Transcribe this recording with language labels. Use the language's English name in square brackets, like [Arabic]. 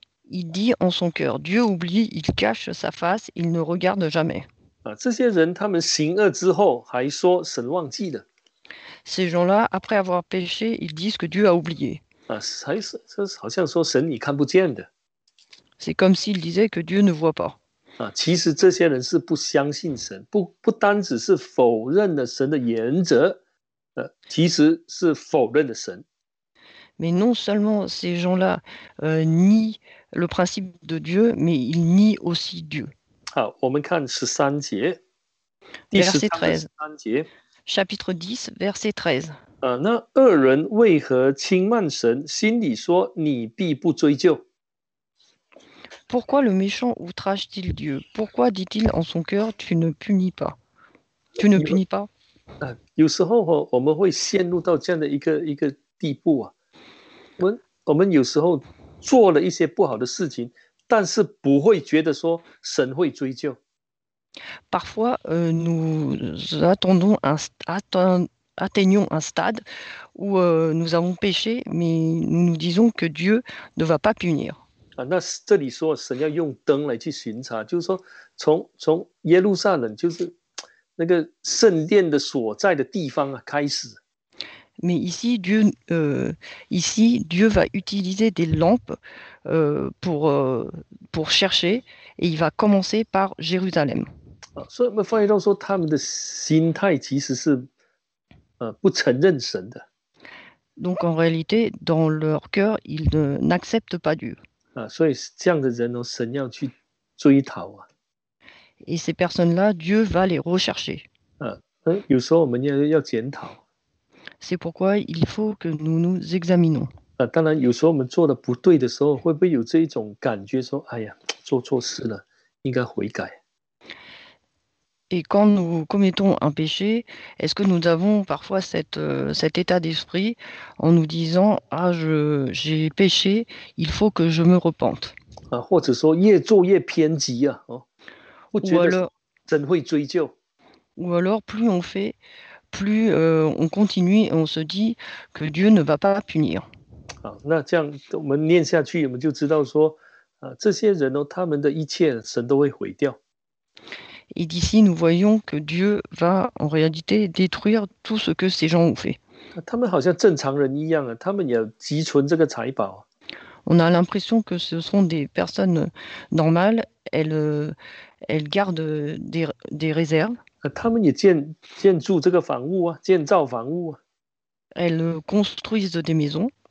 [French] Il dit en son cœur: Dieu oublie, il cache sa face, il ne regarde jamais. [Chinese] 啊，这些人他们行恶之后还说神忘记了。 [French] Ces gens-là, après avoir péché, ils disent que Dieu a oublié. [Chinese] 啊，还是这好像说神你看不见的。 [French] C'est comme s'il disait que Dieu ne voit pas. [Chinese] 啊，其实这些人是不相信神，不单只是否认了神的原则，其实是否认了神。 [French] Mais non seulement ces gens-là nient le principe de Dieu, mais ils nient aussi Dieu. [Chinese] 好，我们看十三节。 [French] Verset 13. Chapitre 10, verset 13. [Chinese] 那恶人为何轻慢神？心里说：“你必不追究。” [French] Pourquoi le méchant outrage-t-il Dieu? Pourquoi dit-il en son cœur: Tu ne punis pas? Tu ne punis pas? [Chinese] 有时候我们会陷入到这样的一个地步啊。我们有时候做了一些不好的事情，但是不会觉得说神会追究。 [French] Parfois, nous attendons atteignons un stade où nous avons péché, mais nous nous disons que Dieu ne va pas punir. [Chinese] 那这里说神要用灯来去巡查，就是说从耶路撒冷，就是那个圣殿的所在的地方啊开始。 [French] Mais ici Dieu va utiliser des lampes pour chercher et il va commencer par Jérusalem. [Chinese] 所以我们发现到说他们的心态其实是不承认神的。 [French] Donc en réalité dans leur cœur ils n'acceptent pas Dieu. [Chinese] 所以这样的人哦，神要去追讨啊。 [French] Et ces personnes-là Dieu va les rechercher. [Chinese] 有时候我们要检讨。 [French] C'est pourquoi il faut que nous nous examinons. [Chinese] 当然，有时候我们做的不对的时候，会不会有这一种感觉，说：“哎呀，做错事了，应该悔改。” [French] Et quand nous commettons un péché, est-ce que nous avons parfois cet état d'esprit en nous disant: Ah, j'ai péché, il faut que je me repente. [Chinese] 或者说越做越偏激啊，哦，不觉得真会追究。 [French] Ou alors, plus on fait. Plus on continue et on se dit que Dieu ne va pas punir. [Chinese] 好，那这样我们念下去，我们就知道说，这些人哦，他们的一切神都会毁掉。 [French] Et d'ici, nous voyons que Dieu va en réalité détruire tout ce que ces gens ont fait. [Chinese] 他们好像正常人一样啊，他们也积存这个财宝。 [French] On a l'impression que ce sont des personnes normales. Elles gardent des réserves. [Chinese] 他们也建筑这个房屋啊，建造房屋啊。 [French] Elles construisent des maisons.